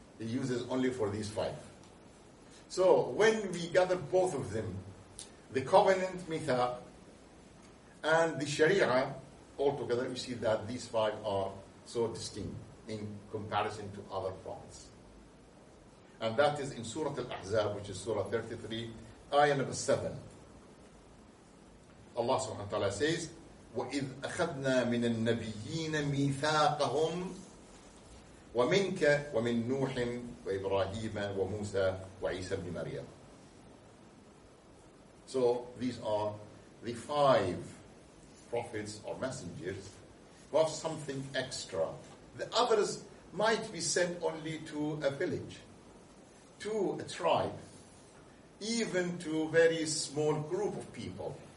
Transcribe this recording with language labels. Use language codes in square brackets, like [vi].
[en] He uses only for these five. So when we gather both of them, the covenant mithaq and the sharia all together, we see that these five are so distinct in comparison to other prophets. And that is in Surah Al-Ahzab, which is Surah 33, ayah number 7. Allah subhanahu wa ta'ala says, [ar] وَإِذْ أَخَذْنَا مِنَ النَّبِيِّينَ مِيثَاقَهُمْ وَمِنْكَ وَمِنْ نُوحٍ وَإِبْرَاهِيمَ وَمُوسَى وَعِيسَى بْنِ مَرْيَمَ. [en] So these are the five prophets or messengers who have something extra. The others might be sent only to a village, to a tribe, even to a very small group of people.